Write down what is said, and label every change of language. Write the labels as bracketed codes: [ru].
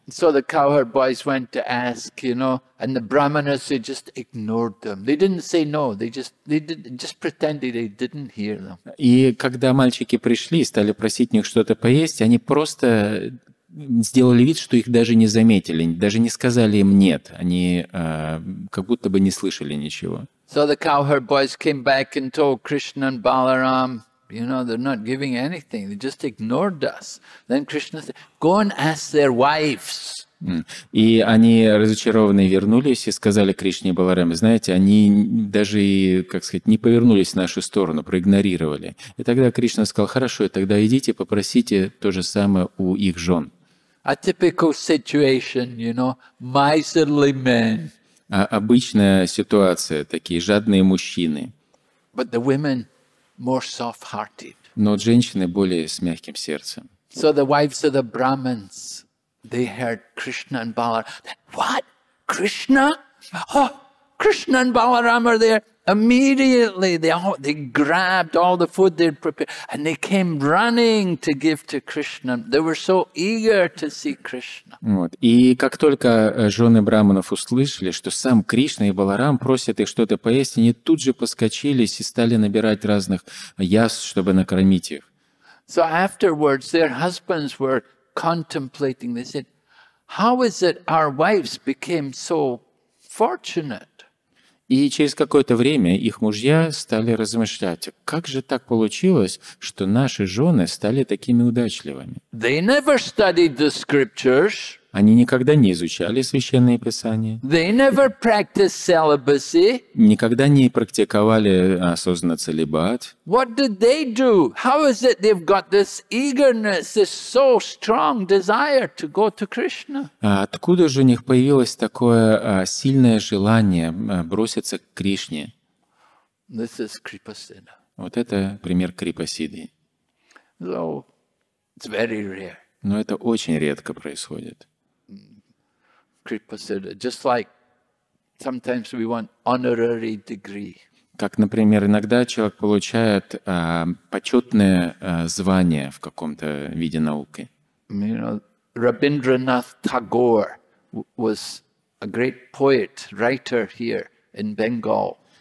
[en] So the cowherd boys went to ask, you know, and the brahmanas, they just ignored them. They didn't say no, they just pretended they didn't hear them. [ru] И когда мальчики пришли и стали просить у них что-то поесть, они просто сделали вид, что их даже не заметили, даже не сказали им нет, они как будто бы не слышали ничего. [en] So the cowherd boys came back and told Krishna and Balaram, you know, they're not giving anything. They just ignored us. Then Krishna said, go and ask their wives. [ru] И они разочарованные вернулись и сказали Кришне и Баларам, знаете, они даже, как сказать, не повернулись в нашу сторону, проигнорировали. И тогда Кришна сказал, хорошо, тогда идите, попросите то же самое у их жен. [en] A typical situation, you know, miserly men. [ru] Обычная ситуация, такие жадные мужчины. [en] But the women more soft-hearted. [ru] Но женщины более с мягким сердцем. [en] So the wives of the Brahmins, they heard Krishna and Balaram. What? Krishna? Oh, Krishna and Balaram are there. Immediately, they grabbed all the food they'd prepared, and they came running to give to Krishna. They were so eager to see Krishna. [ru] Вот. И как только жены брахманов услышали, что сам Кришна и Баларам просят их что-то поесть, они тут же поскочились и стали набирать разных яств, чтобы накормить их. [en] So afterwards, their husbands were contemplating. They said, "How is it our wives became so fortunate?" [ru] И через какое-то время их мужья стали размышлять, как же так получилось, что наши жены стали такими удачливыми. [en] They never studied the scriptures. [ru] Они никогда не изучали священные писания. [en] They never practiced celibacy. [ru] Никогда не практиковали осознанно целибат. [en] What did they do? How is it they've got this eagerness, this so strong desire to go to Krishna? [ru] Откуда же у них появилось такое сильное желание броситься к Кришне? [en] This is kripasiddha. [ru] Вот это пример крипасиды. [en] So, it's very rare. [ru] Но это очень редко происходит. [en] Just like sometimes we want honorary degree. [ru] Как, например, иногда человек получает почетное звание в каком-то виде науки. [en] You know, Rabindranath Tagore was a great poet, writer here in Bengal.